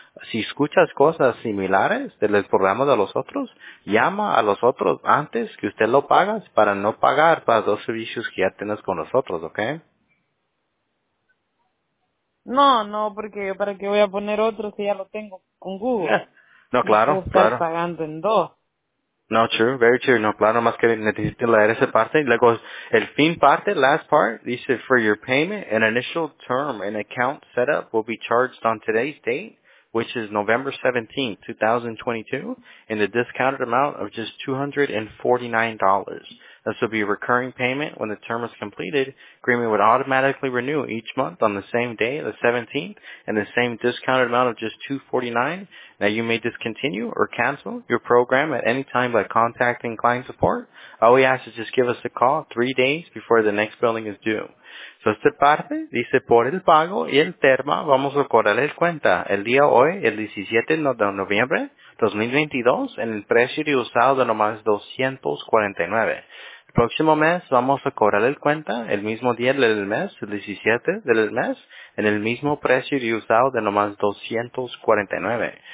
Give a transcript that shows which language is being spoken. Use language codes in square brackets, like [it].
[es] Si escuchas cosas similares del programa de los otros, llama a los otros antes que usted lo pagas para no pagar para dos servicios que ya tienes con nosotros, ¿ok? No, porque yo para qué voy a poner otro si ya lo tengo con Google. No, claro, no puedo estar pagando en dos. [en] No, true, very true. [es] No, claro, más que necesito leer esa parte. Luego, el fin parte, [en] last part, [es] dice, [en] for your payment, an initial term and account setup will be charged on today's date, which is November 17, 2022, in the discounted amount of just $249. This will be a recurring payment. When the term is completed, agreement would automatically renew each month on the same day, the 17th, and the same discounted amount of just $249. Now, you may discontinue or cancel your program at any time by contacting client support. All we ask is just give us a call 3 days before the next billing is due. [es] So, esta parte dice, por el pago y el termo, vamos a cobrar el cuenta el día hoy, el 17 de noviembre, 2022, en el precio de usado de nomás $249. El próximo mes vamos a cobrar el cuenta el mismo día del mes, el 17 del mes, en el mismo precio de usado de nomás $249.